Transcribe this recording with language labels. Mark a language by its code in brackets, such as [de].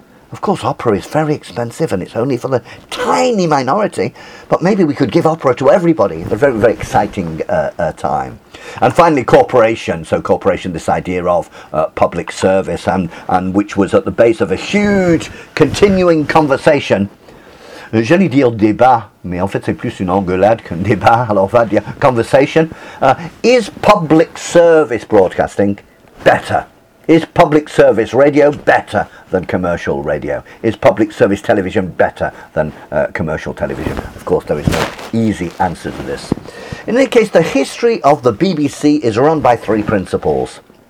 [en] Of course, opera is very expensive and it's only for the tiny minority, but maybe we could give opera to everybody. A very, very exciting time. And finally, corporation, this idea of public service, and which was at the base of a huge continuing conversation. [fr] Je l'ai dit au débat, mais en fait c'est plus une engueulade qu'un débat, alors on va dire conversation. [en] Is public service broadcasting better? Is public service radio better than commercial radio? Is public service television better than commercial television? Of course, there is no easy answer to this. In any case, the history of the BBC is run by three principles.